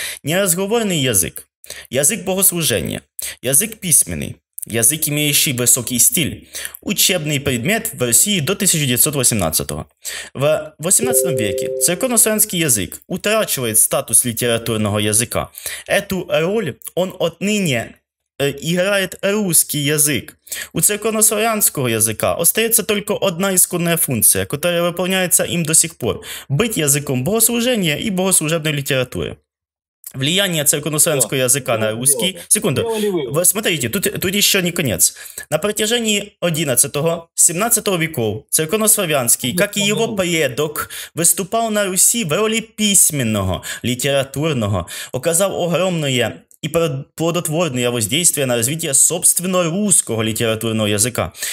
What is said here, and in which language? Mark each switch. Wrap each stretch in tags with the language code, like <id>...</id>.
<ru>Неразговорный язык. Язык богослужения. Язык письменный. Язык, имеющий высокий стиль. Учебный предмет в России до 1918-го. В 18 веке церковнославянский язык утрачивает статус литературного языка. Эту роль он отныне</ru> <uk>і грає русський язик. У церковнослов'янського язика остається тільки одна ісконна функція, яка виконується їм до сих пор – бити язиком богослуження і богослужебної літератури.</uk> <ru>Влияние церковнославянского языка на русский... Секунду. Вы смотрите, тут еще не конец. На протяжении 11-17 веков церковнославянский, как и его предок, выступал на Руси в роли письменного, литературного, оказал огромное и плодотворное воздействие на развитие собственно русского литературного языка.</ru>